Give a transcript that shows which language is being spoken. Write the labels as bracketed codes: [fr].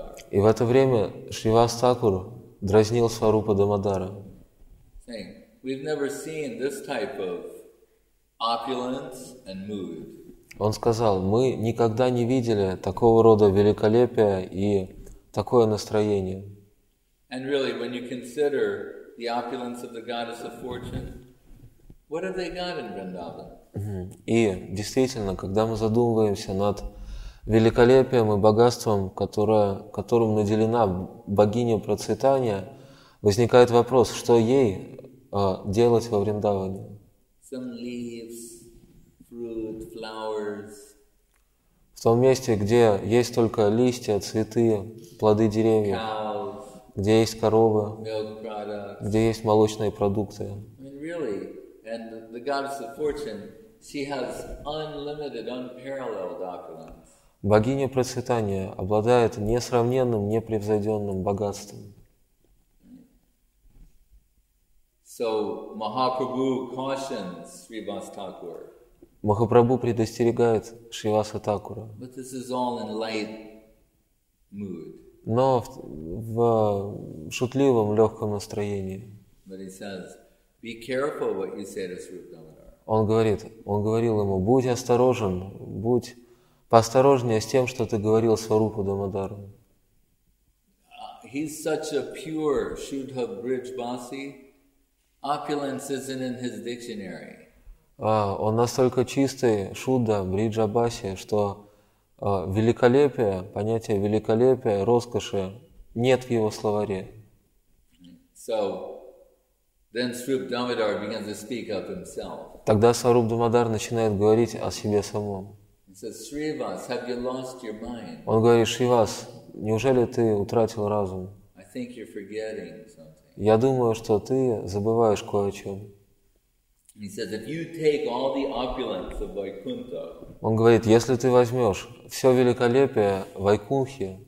[ru] И в это время Шривас Такур дразнил Сварупа Дамодара. [en] We've never seen this type of opulence and mood. [ru] Он сказал, мы никогда не видели такого рода великолепия и такое настроение. [en] And really, when you consider the opulence of the goddess of fortune, what have they got in Vrindavan? [ru] И действительно, когда мы задумываемся над великолепием и богатством, которым наделена богиня процветания, возникает вопрос, что ей делать во Вриндаване. [en] Some leaves, fruit, flowers. [ru] В том месте, где есть только листья, цветы, плоды деревьев, [en] cows, [ru] где есть коровы, [en] milk products, [ru] где есть молочные продукты. [en] And the goddess of fortune, she has unlimited, unparalleled opulence. [ru] Богиня процветания обладает несравненным, непревзойденным богатством. [en] So Mahaprabhu cautions Shrivas Thakur. [ru] Махапрабху предостерегает Шриваса Такура. [en] But this is all in light mood. [ru] Но в шутливом легком настроении. [en] But he says, be careful what you say to Swarup Damodara. [ru] Он говорил ему, будь поосторожнее с тем, что ты говорил Сварупу Дамодару. [en] He's such a pure Shuddha Brijbasi. Opulence isn't in his dictionary. [ru] Он настолько чистый, шудда, бриджабаси, что великолепие, понятие великолепия, роскоши нет в его словаре. [en] So, then Swarup Damodara begins to speak of himself. [ru] Тогда Сваруп Дамодар начинает говорить о себе самом. [en] He says, Shrivas, have you lost your mind? [ru] Он говорит, Шривас, неужели ты утратил разум? [en] I think you're forgetting something. [ru] Я думаю, что ты забываешь кое о чем. [en] He says, if you take all the opulence of Vaikuntha, [ru] он говорит, если ты возьмешь все великолепие Вайкунхи